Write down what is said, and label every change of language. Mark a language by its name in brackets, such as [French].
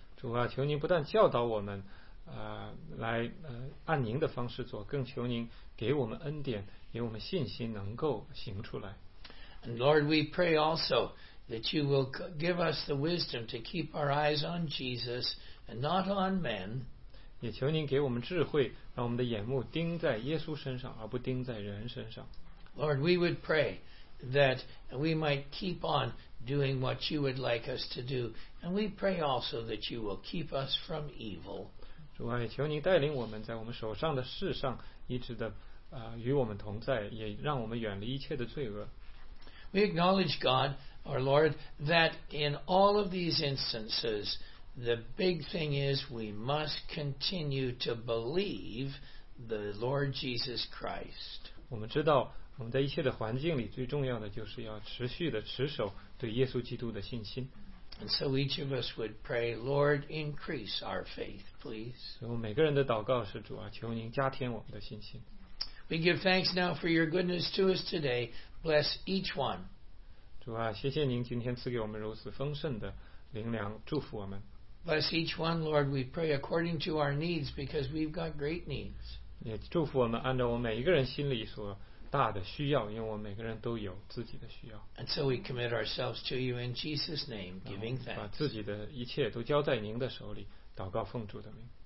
[Chinese] 主啊，求您不但教导我们。来按您的方式做，更求您给我们恩典，给我们信心，能够行出来。 [English] And Lord, we pray also that you will give us the wisdom to keep our eyes on Jesus and not on men. [Chinese] 也求您给我们智慧，让我们的眼目盯在耶稣身上，而不盯在人身上。 [English] Lord, we would pray that we might keep on doing what you would like us to do, and we pray also that you will keep us from evil. [Chinese] 主啊，也求您带领我们在我们手上的事上一直的与我们同在，也让我们远离一切的罪恶。 [English] We acknowledge God, our Lord, that in all of these instances, the big thing is we must continue to believe the Lord Jesus Christ. [Chinese] 我们知道，我们在一切的环境里最重要的就是要持续的持守对耶稣基督的信心。 [English] And so each of us would pray, Lord, increase our faith, please. [Chinese] 所以我们每个人的祷告是主啊，求您加添我们的信心。 [English] We give thanks now for your goodness to us today. Bless each one. [Chinese] 主啊，谢谢您今天赐给我们如此丰盛的灵粮，祝福我们。 [English] Bless each one, Lord. We pray according to our needs because we've got great needs. [Chinese] 也祝福我们按照我们每一个人心里所大的需要，因为我们每个人都有自己的需要。 [English] And so we commit ourselves to you in Jesus' name, giving thanks. [Chinese] 把自己的一切都交在您的手里，祷告奉主的名。